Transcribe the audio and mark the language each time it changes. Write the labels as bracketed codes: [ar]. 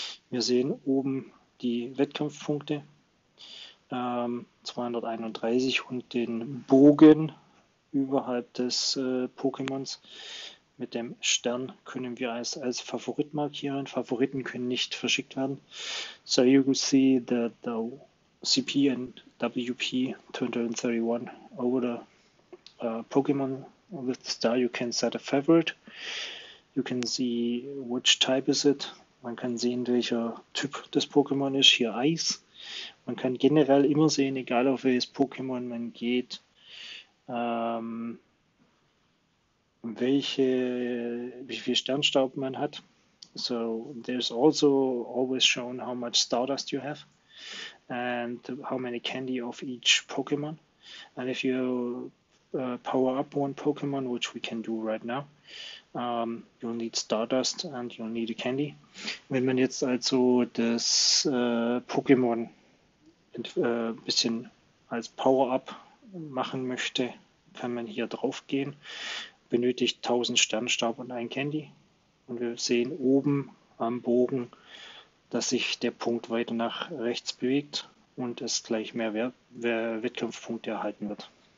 [de] Wir sehen oben die Wettkampfpunkte, 231 und den Bogen überhalb des Pokémons. Mit dem Stern können wir als Favorit markieren. Favoriten können nicht verschickt werden. [en] So you can see that the CP and WP 231 over the Pokémon with the star, you can set a favorite. You can see which type is it. [de] Man kann sehen, welcher Typ das Pokémon ist. Hier Eis. Man kann generell immer sehen, egal auf welches Pokémon man geht, wie viel Sternstaub man hat. [en] So, there's also always shown how much Stardust you have and how many candy of each Pokémon. And if you power up one Pokémon, which we can do right now. You'll need Stardust and you'll need a Candy. [de] Wenn man jetzt also das Pokémon ein bisschen als Power-Up machen möchte, kann man hier drauf gehen. Benötigt 1000 Sternstaub und ein Candy. Und wir sehen oben am Bogen, dass sich der Punkt weiter nach rechts bewegt und es gleich mehr Wettkampfpunkte erhalten wird.